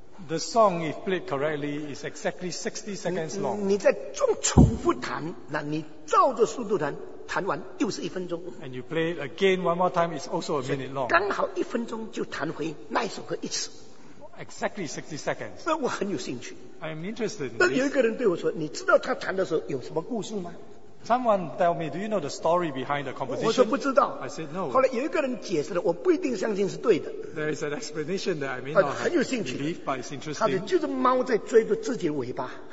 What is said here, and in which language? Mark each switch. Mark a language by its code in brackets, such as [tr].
[en] The song, if played correctly, is exactly 60 seconds long. [zh] 你在重复弹，那你照着速度弹，弹完又是一分钟。 [en] And you play again one more time, it's also a minute long. [zh] 刚好一分钟就弹回那首歌一次。 [en] Exactly 60 seconds. [zh] 那我很有兴趣。 [en] I'm interested. [zh] 那有一个人对我说，你知道他弹的时候有什么故事吗？ [en] Someone tell me, do you know the story behind the composition? [zh] 我说不知道。 [en] I said no. [zh] 后来有一个人解释了，我不一定相信是对的。 [en] There is an explanation that I may not have believe, but it's interesting. [zh] 他就是猫在追着自己的尾巴。